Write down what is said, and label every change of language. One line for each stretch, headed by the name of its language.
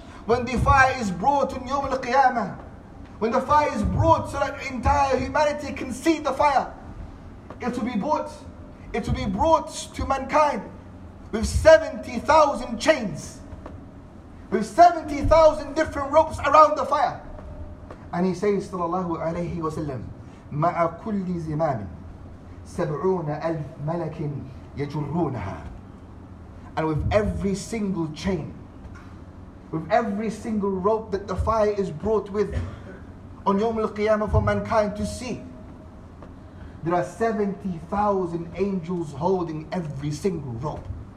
English: When the fire is brought in يوم القيامة, when the fire is brought so that entire humanity can see the fire, it will be brought to mankind with 70,000 chains, with 70,000 different ropes around the fire. And he says
Arabic: صلى الله عليه وسلم مع كل زمام 70,000 ملك يجرونها.
English: And with every single chain, with every single rope that the fire is brought with on يوم القيامة for mankind to see, there are 70,000 angels holding every single rope.